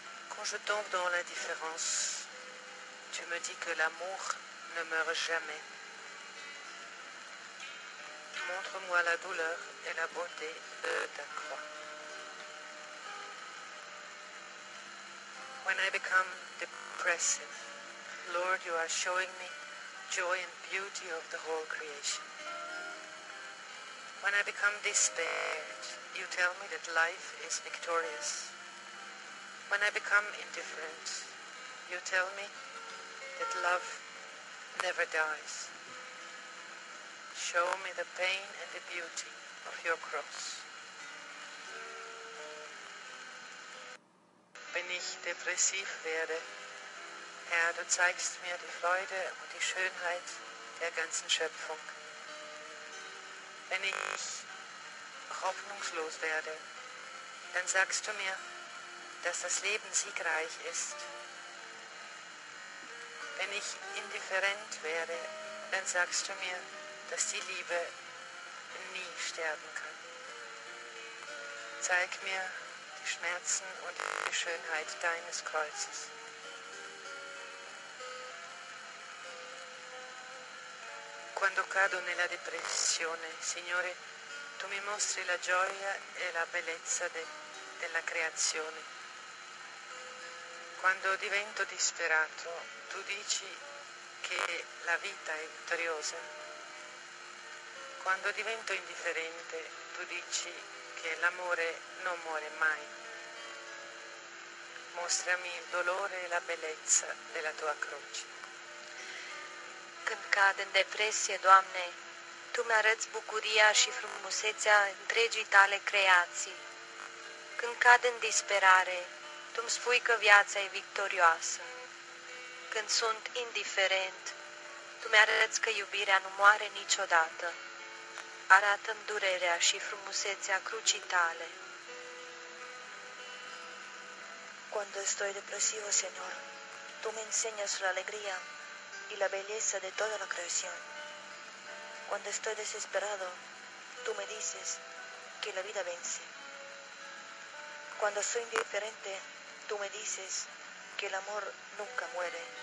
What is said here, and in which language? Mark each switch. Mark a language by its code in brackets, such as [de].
[fr] Quand je tombe dans l'indifférence, tu me dis que l'amour ne meurt jamais. Montre-moi la douleur et la beauté de ta croix. [en] When I become depressive, Lord, you are showing me joy and beauty of the whole creation. When I become despaired, you tell me that life is victorious. When I become indifferent, you tell me that love never dies. Show me the pain and the beauty of your cross. [de] Wenn ich depressiv werde, Herr, du zeigst mir die Freude und die Schönheit der ganzen Schöpfung. Wenn ich hoffnungslos werde, dann sagst du mir, dass das Leben siegreich ist. Wenn ich indifferent werde, dann sagst du mir, dass die Liebe nie sterben kann. Zeig mir die Schmerzen und die Schönheit deines Kreuzes. [it] Quando cado nella depressione, Signore, tu mi mostri la gioia e la bellezza della creazione. Quando divento disperato, tu dici che la vita è vittoriosa. Quando divento indifferente, tu dici che l'amore non muore mai. Mostrami il dolore e la bellezza della tua croce. [ro] Când cad în depresie, Doamne, Tu mi arăți bucuria și frumusețea întregii Tale creații. Când cad în disperare, Tu îmi spui că viața e victorioasă. Când sunt indiferent, Tu mi arăți că iubirea nu moare niciodată. Arată-mi durerea și frumusețea crucii Tale. [es] Cuando estoy depresivo, Señor, Tu me enseñas la alegría y la belleza de toda la creación. Cuando estoy desesperado, tú me dices que la vida vence. Cuando soy indiferente, tú me dices que el amor nunca muere.